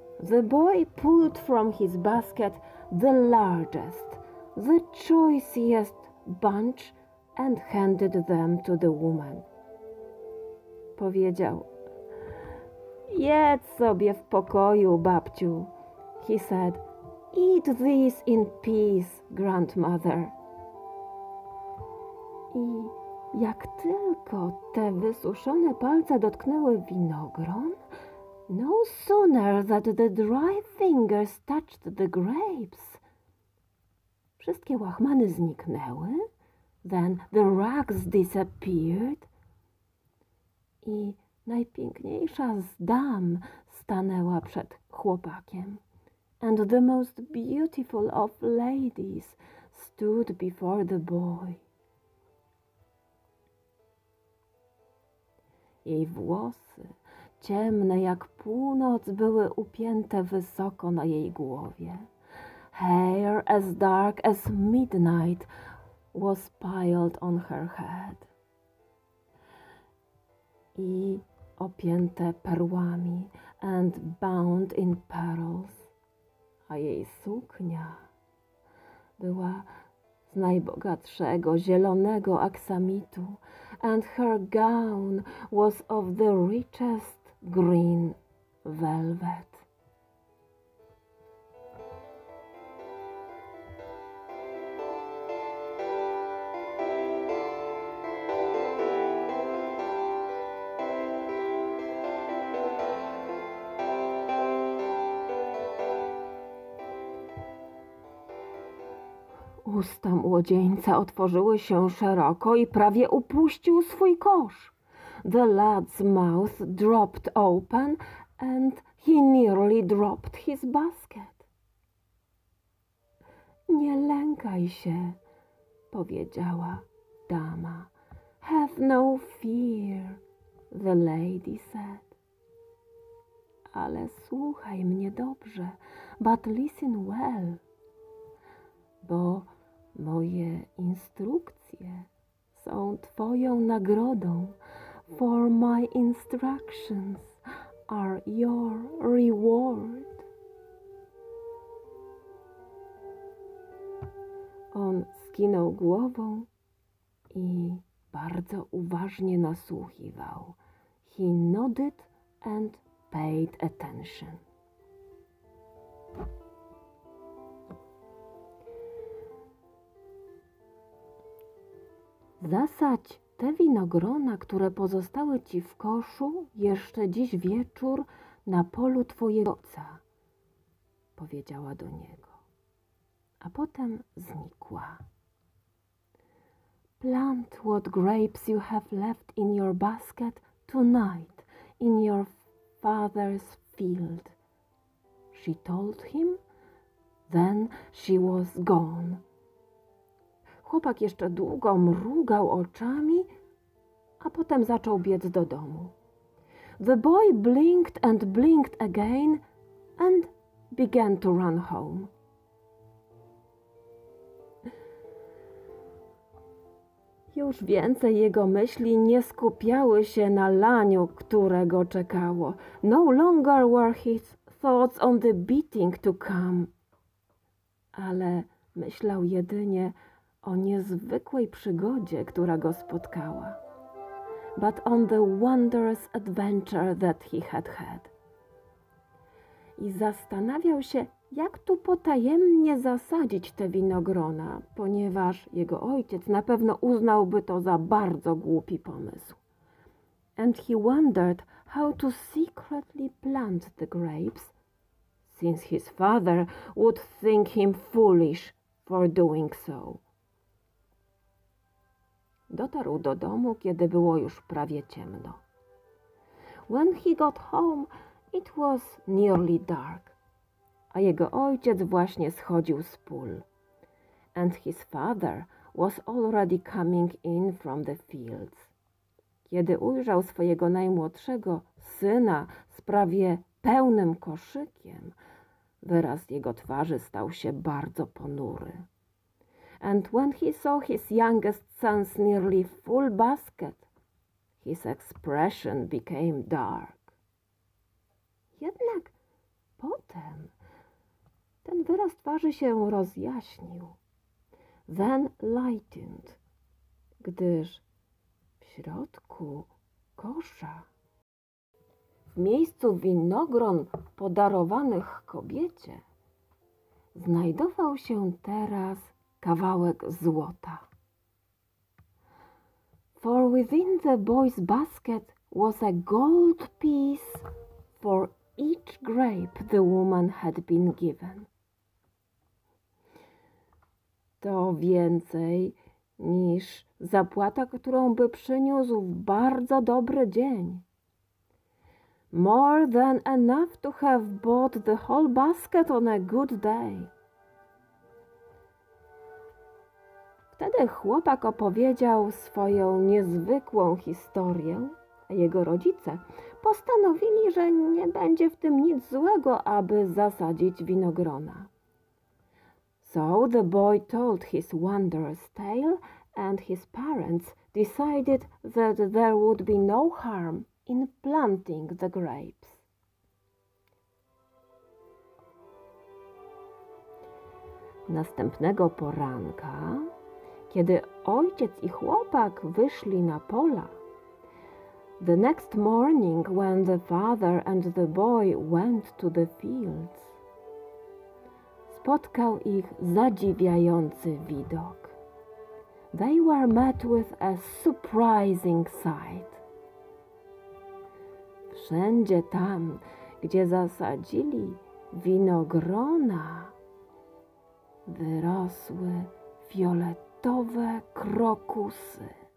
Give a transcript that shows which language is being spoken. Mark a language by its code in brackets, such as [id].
[en] The boy pulled from his basket the largest, the choicest bunch and handed them to the woman. [pl] Powiedział: Jedz sobie w pokoju, babciu. [en] He said, eat this in peace, grandmother. [pl] I jak tylko te wysuszone palce dotknęły winogron, [en] no sooner that the dry fingers touched the grapes. [pl] Wszystkie łachmany zniknęły, [en] then the rags disappeared. [pl] I najpiękniejsza z dam stanęła przed chłopakiem. [en] And the most beautiful of ladies stood before the boy. [pl] Jej włosy, ciemne jak północ, były upięte wysoko na jej głowie. [en] Hair as dark as midnight was piled on her head. [pl] I opięte perłami [en] and bound in pearls, [pl] a jej suknia była z najbogatszego zielonego aksamitu [en] and her gown was of the richest green velvet. [pl] Usta młodzieńca otworzyły się szeroko i prawie upuścił swój kosz. [en] The lad's mouth dropped open and he nearly dropped his basket. [pl] Nie lękaj się, powiedziała dama. [en] Have no fear, the lady said. [pl] Ale słuchaj mnie dobrze, [en] but listen well, [pl] bo moje instrukcje są twoją nagrodą, [en] for my instructions are your reward. [pl] On skinął głową i bardzo uważnie nasłuchiwał. [en] He nodded and paid attention. [pl] Zasadź te winogrona, które pozostały ci w koszu, jeszcze dziś wieczór na polu twojego ojca, powiedziała do niego, a potem znikła. [en] Plant what grapes you have left in your basket tonight in your father's field, she told him, Then she was gone. [pl] Chłopak jeszcze długo mrugał oczami, a potem zaczął biec do domu. [en] The boy blinked and blinked again and began to run home. [pl] Już więcej jego myśli nie skupiały się na laniu, które go czekało. [en] No longer were his thoughts on the beating to come. [pl] Ale myślał jedynie o niezwykłej przygodzie, która go spotkała. [en] But on the wondrous adventure that he had had. [pl] I zastanawiał się, jak tu potajemnie zasadzić te winogrona, ponieważ jego ojciec na pewno uznałby to za bardzo głupi pomysł. [en] And he wondered how to secretly plant the grapes, since his father would think him foolish for doing so. [pl] Dotarł do domu, kiedy było już prawie ciemno. [en] When he got home, it was nearly dark. [pl] A jego ojciec właśnie schodził z pól. [en] And his father was already coming in from the fields. [pl] Kiedy ujrzał swojego najmłodszego syna z prawie pełnym koszykiem, wyraz jego twarzy stał się bardzo ponury. [en] And when he saw his youngest son's nearly full basket, his expression became dark. [pl] Jednak potem ten wyraz twarzy się rozjaśnił, [en] then lightened, [pl] gdyż w środku kosza, w miejscu winogron podarowanych kobiecie, znajdował się teraz kawałek złota. [en] For within the boy's basket was a gold piece for each grape the woman had been given. [pl] To więcej niż zapłata, którą by przyniósł w bardzo dobry dzień. [en] More than enough to have bought the whole basket on a good day. [pl] Wtedy chłopak opowiedział swoją niezwykłą historię, a jego rodzice postanowili, że nie będzie w tym nic złego, aby zasadzić winogrona. [en] So the boy told his wondrous tale and his parents decided that there would be no harm in planting the grapes. [pl] Następnego poranka, kiedy ojciec i chłopak wyszli na pola. [en] The next morning, when the father and the boy went to the fields, [pl] spotkał ich zadziwiający widok. [en] They were met with a surprising sight. [pl] Wszędzie tam, gdzie zasadzili winogrona, wyrosły fioletowe krokusy.